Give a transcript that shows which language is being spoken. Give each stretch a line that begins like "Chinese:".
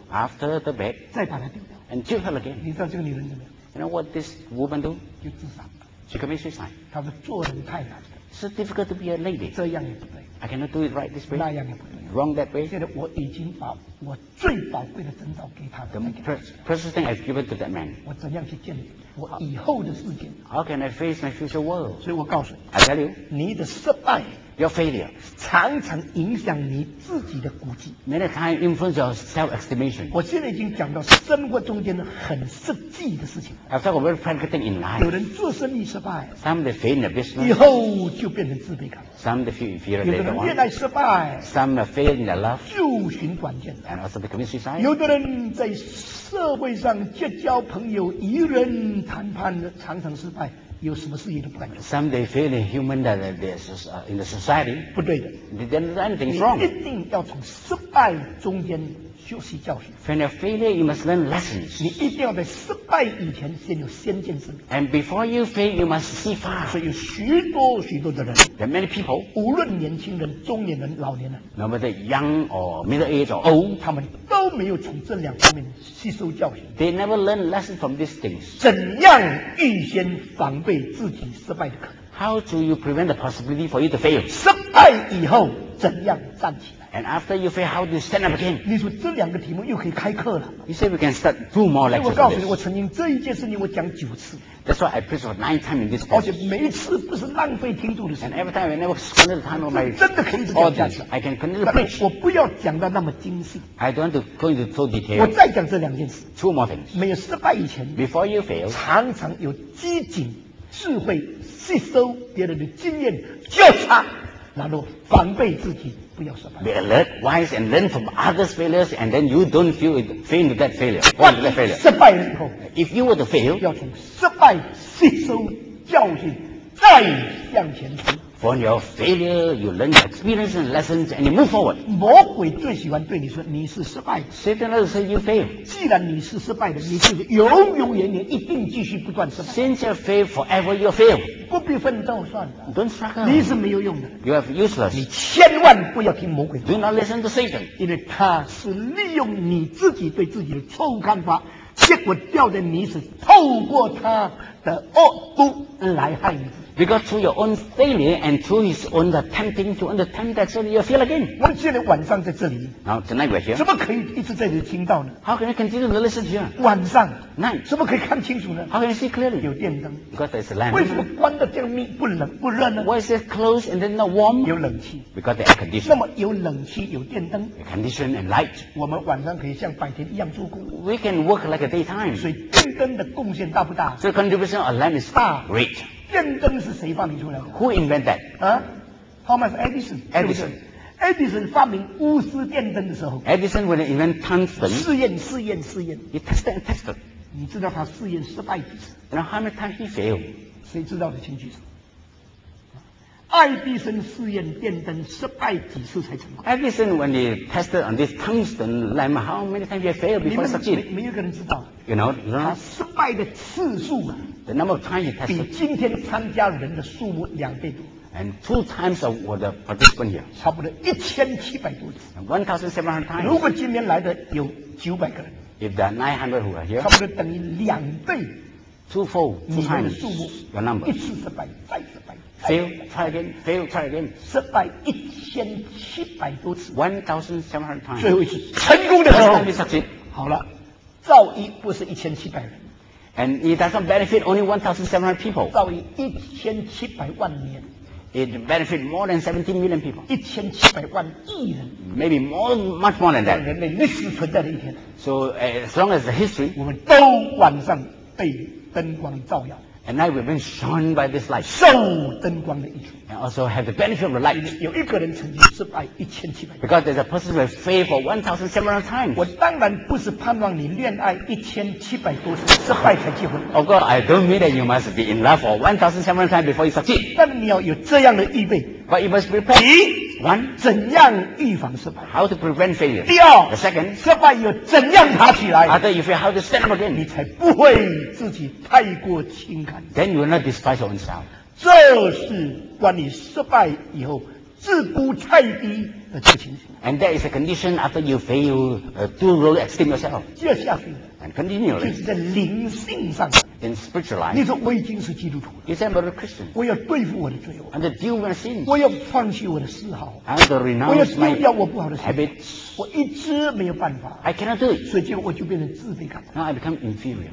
English: After the bed.
Chinese: 再把他丢掉。
English: And jilt her again.
Chinese: 你知道这个女人怎么样
English: ？You know what this woman do?
Chinese: 就自杀。
English: She commits suicide.
Chinese: 他说做人太难。
English: So difficult to be a lady.
Chinese: 这样也不对。
English: I cannot do it right this way.
Chinese: 那样也不对。
English: Wrong that way.
Chinese: 现在我已经把我最宝贵的珍宝给他了。
English: The precious thing I've given to that man.
Chinese: 我怎样去建立我以后的世界
English: ？How can I face my future world?
Chinese: 所以我告诉你
English: ，I tell you，
Chinese: 你的失败
English: ，your failure，
Chinese: 常常影响你自己的估计。
English: Many times influence your self-estimation.
Chinese: 我现在已经讲到生活中间的很实际的事情。
English: I've talked very practical thing in life.
Chinese: 有人做生意失败
English: ，some they fail in the business，
Chinese: 以后就变成自卑感。
English: Some they fear later on.
Chinese: 有的人恋爱失败
English: ，some fail in their love，
Chinese: 就寻短见。
English: And also they commit suicide.
Chinese: 有的人在社会上结交朋友，与人谈判常常失败，有什么事业都不敢做。
English: Some they feel in human that there's in the society
Chinese: 不对的。
English: Then anything's wrong.
Chinese: 一定要从失败中间学习教训。
English: From your failure, you must learn lessons.
Chinese: 你一定要在失败以前先有先见之明。
English: And before you fail, you must see far.
Chinese: 所以有许多许多的人。
English: There are many people.
Chinese: 无论年轻人、中年人、老年人。
English: No matter young or middle age or old.
Chinese: 他们都没有从这两方面吸收教训。
English: They never learn lessons from these things.
Chinese: 怎样预先防备自己失败的可能？
English: How do you prevent the possibility for you to fail?
Chinese: 失败以后怎样站起来？
English: And after you fail, how do you stand up again?
Chinese: 你说这两个题目又可以开课了。
English: You say we can start two more lectures.
Chinese: 我告诉你，我曾经这一件事情我讲九次。
English: That's why I preached for 9 times in this course.
Chinese: 而且每一次不是浪费听众的时间。
English: And every time I never spend the time on my.
Chinese: 真的可以讲下去。
English: I can continue preach.
Chinese: 我不要讲的那么精细。
English: I don't want to go into so detail.
Chinese: 我再讲这两件事。
English: Two more things.
Chinese: 没有失败以前。
English: Before you fail.
Chinese: 常常有机警。智慧吸收别人的经验教训，然后防备自己不要失败。
English: Be alert, wise, and learn from others' failures, and then you don't feel it, fail into that failure. Fall into that failure.
Chinese: 失败了以后
English: ，If you were to fail，
Chinese: 要从失败吸收教训，再向前行。
English: From your failure, you learn experience and lessons, and you move forward.
Chinese: 魔鬼最喜欢对你说，你是失败的。
English: Satan loves to say you fail.
Chinese: 既然你是失败的，你就永永远远一定继续不断失败。
English: Since you fail, forever you fail.
Chinese: 不必奋斗算了。
English: Don't struggle.
Chinese: 你是没有用的。
English: You are useless.
Chinese: 你千万不要听魔鬼的。
English: Do not listen to Satan.
Chinese: 因为他是利用你自己对自己的错误看法，结果掉在泥里，透过他的恶毒来害你。
English: Because through your own failure and through his own attempting to understand that, suddenly you fail again.
Chinese: 我们现在晚上在这里。
English: Now tonight we're here.
Chinese: 怎么可以一直在这里听到呢
English: ？How can I continue to listen to you?
Chinese: 晚上。
English: Night.
Chinese: 怎么可以看清楚呢
English: ？How can I see clearly?
Chinese: 有电灯。
English: Because there's a lamp.
Chinese: 为什么关的这么密不冷不热呢
English: ？Why is it closed and then not warm?
Chinese: 有冷气。
English: Because there's air conditioning.
Chinese: 那么有冷气有电灯。
English: Air conditioning and light.
Chinese: 我们晚上可以像白天一样做工。
English: We can work like a daytime.
Chinese: 所以电灯的贡献大不大
English: ？So contribution of lamp is
Chinese: da.
English: Great.
Chinese: 电灯是谁发明出来的
English: ？Who invented that？
Chinese: 啊 ，Thomas Edison。
English: Edison，
Chinese: Edison 发明钨丝电灯的时候
English: ，Edison when he invented tungsten，
Chinese: 试验。
English: He tested and tested。
Chinese: 你知道他试验失败几次
English: ？And how many times he failed？
Chinese: 谁知道的清楚？爱迪生试验电灯失败几次才成功
English: ？Edison when he tested on this tungsten lamp， how many times he failed before succeed？
Chinese: 没有个人知道。
English: You know，
Chinese: 他失败的次数啊。
English: The number of times he tested.
Chinese: 比今天参加人的数目两倍多。
English: And 2 times of the participant here.
Chinese: 差不多1700多次。
English: 1700 times.
Chinese: 如果今天来的有900个人。
English: If there are 900 who are here.
Chinese: 差不多等于两倍。
English: 2x, 2 times.
Chinese: 你的数目。
English: Your number.
Chinese: 一次失败，再失败。
English: Fail, try again. Fail, try again.
Chinese: 失败1700多次。
English: 1700 times.
Chinese: 最后一次成功的时候。
English: First time
Chinese: 好了，造诣不是1700人。
English: And it doesn't benefit only 1,700 people.
Chinese: 造诣1700万年。
English: It benefits more than 17 million people.
Chinese: 1700万亿人。
English: Maybe more, much more than that.
Chinese: 人类历史存在的一天。
English: So as long as the history,
Chinese: 我们都晚上被灯光照耀。
English: And now we've been shone by this light.
Chinese: 受灯光的益处。
English: And also have the benefit of the light.
Chinese: 有一个人曾经失败1700。
English: Because there's a person who has failed for 1,700 times.
Chinese: 我当然不是盼望你恋爱1700多次失败才结婚。
English: Of course, I don't mean that you must be in love for 1,700 times before you succeed.
Chinese: 但你要有这样的预备。
English: But you must prepare.
Chinese: 第一
English: ，one，
Chinese: 怎样预防失败
English: ？How to prevent failure.
Chinese: 第二
English: ，the second，
Chinese: 失败又怎样爬起来
English: ？After you fail, how to stand up again.
Chinese: 你才不会自己太过轻看。
English: Then you will not despise yourself.
Chinese: 这是关于失败以后自估太低的这个情形。
English: And that is a condition after you fail, do really esteem yourself.
Chinese: 接下去
English: ，and continually，
Chinese: 就是在灵性上。
English: In spiritual life,
Chinese: 你说我已经是基督徒了。
English: You said I'm a Christian.
Chinese: 我要对付我的罪恶。
English: And to deal with sin.
Chinese: 我要放弃我的嗜好。
English: And to renounce my habits.
Chinese: 我要丢掉我不好的习惯。我一直没有办法。
English: I cannot do it.
Chinese: 所以我就变成自卑感。
English: Now I become inferior.